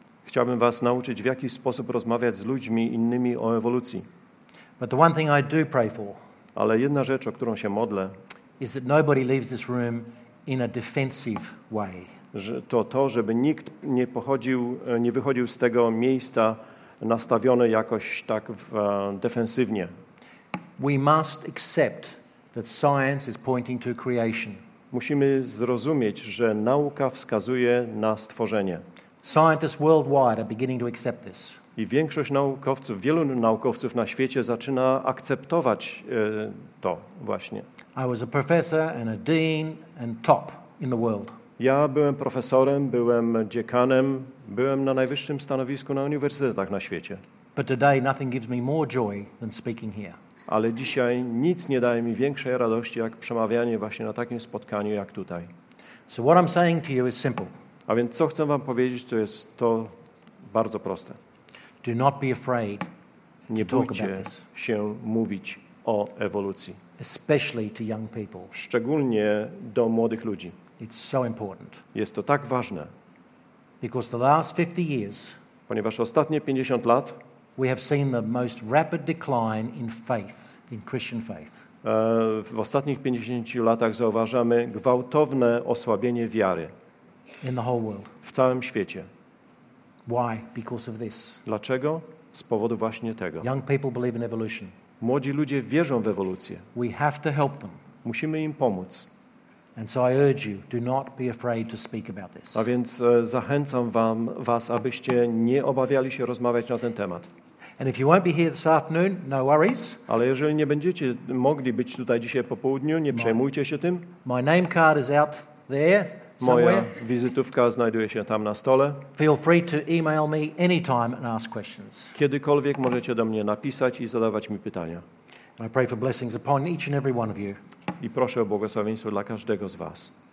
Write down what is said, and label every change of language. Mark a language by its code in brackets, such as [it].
[pl] Chciałbym was nauczyć, w jaki sposób rozmawiać z ludźmi innymi o ewolucji. [en] But the one thing I do pray for, [pl] ale jedna rzecz, o którą się modlę, [en] is that nobody leaves this room in a defensive way. [pl] To, żeby nikt nie wychodził z tego miejsca nastawiony jakoś tak defensywnie. [en] We must accept that science is pointing to creation. [pl] Musimy zrozumieć, że nauka wskazuje na stworzenie. [en] Scientists worldwide are beginning to accept this. [pl] I większość naukowców, wielu naukowców na świecie zaczyna akceptować to właśnie. [en] I was a professor and a dean and top in the world. [pl] Ja byłem profesorem, byłem dziekanem, byłem na najwyższym stanowisku na uniwersytetach na świecie. [en] But today nothing gives me more joy than speaking here. [pl] Ale dzisiaj nic nie daje mi większej radości, jak przemawianie właśnie na takim spotkaniu jak tutaj. [en] So what I'm saying to you is simple. [pl] A więc co chcę wam powiedzieć, to jest to bardzo proste. [en] Do not be afraid [pl] nie [en] to [pl] bójcie [en] talk about this. [pl] Się mówić o ewolucji. [en] Especially to young people. [pl] Szczególnie do młodych ludzi. [en] It's so important. [pl] Jest to tak ważne. [en] Because the last 50 years, [pl] ponieważ ostatnie 50 lat [en] we have seen the most rapid decline in faith, in Christian faith. [pl] W ostatnich 50 latach zauważamy gwałtowne osłabienie wiary [en] in the whole world. [pl] W całym świecie. [en] Why? Because of this. [pl] Dlaczego? Z powodu właśnie tego. [en] Young people believe in evolution. [pl] Młodzi ludzie wierzą w ewolucję. [en] We have to help them. [pl] Musimy im pomóc. [en] And so I urge you, do not be afraid to speak about this. [pl] A więc zachęcam was, abyście nie obawiali się rozmawiać na ten temat. [en] And if you won't be here this afternoon, no worries. [pl] Ale jeżeli nie będziecie mogli być tutaj dzisiaj po południu, nie przejmujcie się tym. [en] My name card is out there somewhere. [pl] Moja wizytówka znajduje się tam na stole. [en] Feel free to email me anytime and ask questions. [pl] Kiedykolwiek możecie do mnie napisać i zadawać mi pytania. [en] And I pray for blessings upon each and every one of you. [pl] I proszę o błogosławieństwo dla każdego z was.